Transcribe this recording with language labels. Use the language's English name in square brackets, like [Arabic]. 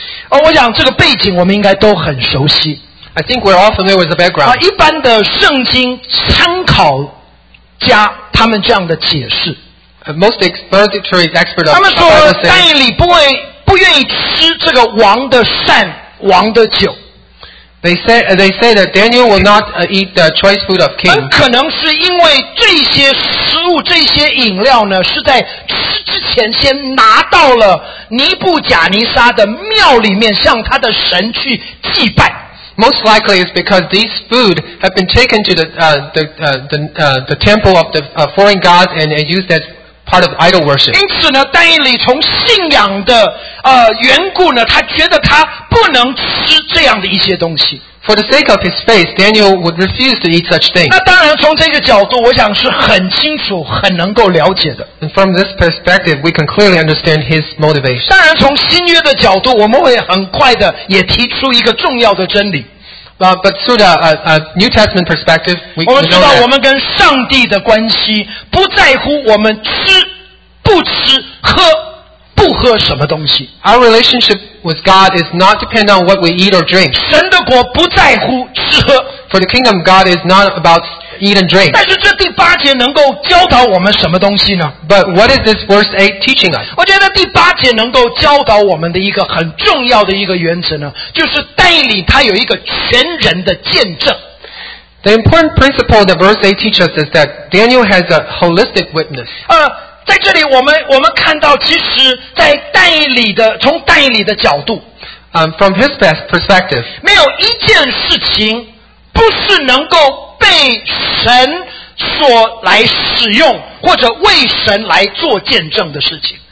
[Chinese] 哦、我想这个背景我们应该都很熟悉。 [English] I think we're all familiar with the background.、 [Chinese] 啊、一般的圣经参考家他们这样的解释。 [English] Most expository experts of the Bible say, [Chinese] 他们说但以理不愿意吃这个王的膳王的酒。 [English] They say that Daniel will not eat the choice food of king. [Chinese] 可能是因为这些食物这些饮料呢是在吃之前先拿到了尼布甲尼撒的庙里面向他的神去祭拜。 [English] Most likely is because these food have been taken to the temple of the foreign gods and used as part of idol worship. [Chinese] 因此呢但以理从信仰的缘故呢他觉得他不能吃这样的一些东西。 [English] For the sake of his faith, Daniel would refuse to eat such things. [Chinese] 那当然从这个角度我想是很清楚很能够了解的。 [English] And from this perspective, we can clearly understand his motivation. [Chinese] 当然从新约的角度我们会很快的也提出一个重要的真理。 [English] But through the New Testament perspective, we know that. [Chinese] 我们知道我们跟上帝的关系不在乎我们吃不吃喝不喝什么东西。 [English] Our relationship with God is not dependent on what we eat or drink. [Chinese] 神的国不在乎吃喝。 [English] For the kingdom of God is not about eat and drink. [Chinese] 但是这第八节能够教导我们什么东西呢 [English] ？But what is this verse 8 teaching us? [Chinese] 我觉得第八节能够教导我们的一个很重要的一个原则呢，就是但以理他有一个全人的见证。 [English] The important principle that verse 8 teaches us is that Daniel has a holistic witness. [Chinese] 在这里我们看到，其实，在但以理的从但以理的角度， [English] from his best perspective, [Chinese] 没有一件事情不是能够被神所来使用或者为神来做见证的事情。